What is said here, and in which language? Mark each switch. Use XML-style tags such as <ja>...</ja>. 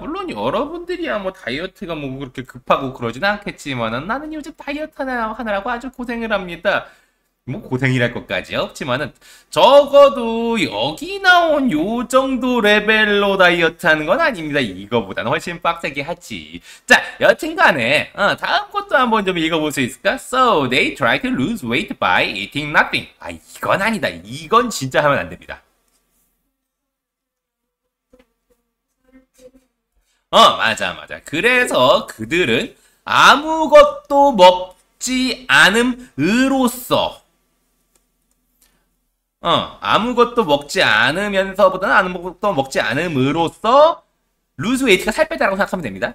<ko>물론 여러분들이야 뭐 다이어트가 뭐 그렇게 급하고 그러진 않겠지만은 나는 요즘 다이어트 하느라고 아주 고생을 합니다. 뭐 고생이랄 것까지 없지만은 적어도 여기 나온 요 정도 레벨로 다이어트 하는 건 아닙니다. 이거보다는 훨씬 빡세게 하지. 자, 여튼간에 다음 것도 한번 좀 읽어볼 수 있을까?</ko> <en>So they try to lose weight by eating nothing.</en> <ko>아, 이건 아니다. 이건 진짜 하면 안 됩니다. 맞아, 맞아. 그래서 그들은 아무것도 먹지 않음으로써 아무것도 먹지 않으면서보다는 아무것도 먹지 않음으로써 루즈 웨이트가 살 빼다라고 생각하면 됩니다.</ko>